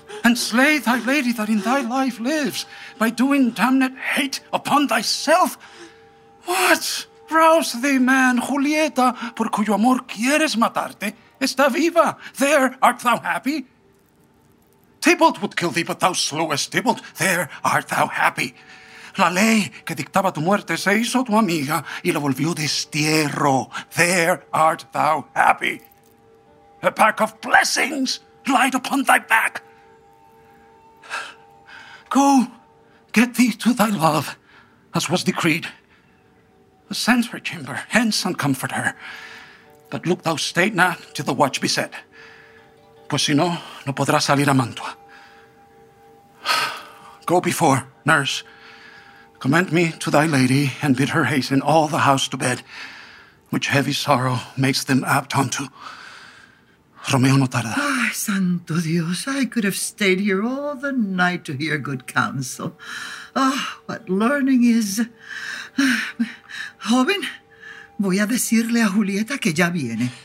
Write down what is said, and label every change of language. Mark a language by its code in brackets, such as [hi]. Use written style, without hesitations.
[en] And slay thy lady that in thy life lives by doing damned hate upon thyself? What? Rouse thee, man, [es] Julieta, por cuyo amor quieres matarte, está viva. [en] There art thou happy? Tybalt would kill thee, but thou slewest Tybalt. There art thou happy. [es] La ley que dictaba tu muerte se hizo tu amiga y la volvió destierro. [en] There art thou happy. A pack of blessings light upon thy back. Go, get thee to thy love, as was decreed. Ascend her chamber, hence, and comfort her. But look thou stay not till the watch be set. [es] Pues si no, no podrá salir a Mantua. [en] Go before, nurse. Commend me to thy lady, and bid her hasten all the house to bed, which heavy sorrow makes them apt unto. [es] Romeo no tarda. Ay, santo Dios, [en] I could have stayed here all the night to hear good counsel. Oh, what learning is. [es] Joven, voy a decirle a Julieta que ya viene.